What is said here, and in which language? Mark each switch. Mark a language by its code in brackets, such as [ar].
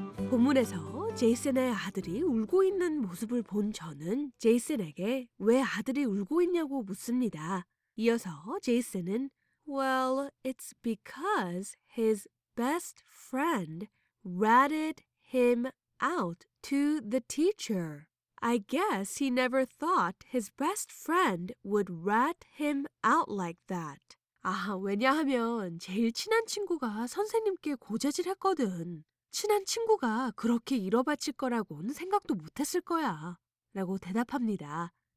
[ko] 본문에서 제이슨의 아들이 울고 있는 모습을 본 저는 제이슨에게 왜 아들이 울고 있냐고 묻습니다. 이어서 제이슨은 [en] Well, it's because his best friend ratted him out to the teacher. I guess he never thought his best friend would rat him out like that. [ko] 아, 왜냐하면 제일 친한 친구가 선생님께 고자질했거든. 친한 친구가 그렇게 잃어바칠 거라고는 생각도 못했을 거야 라고 대답합니다.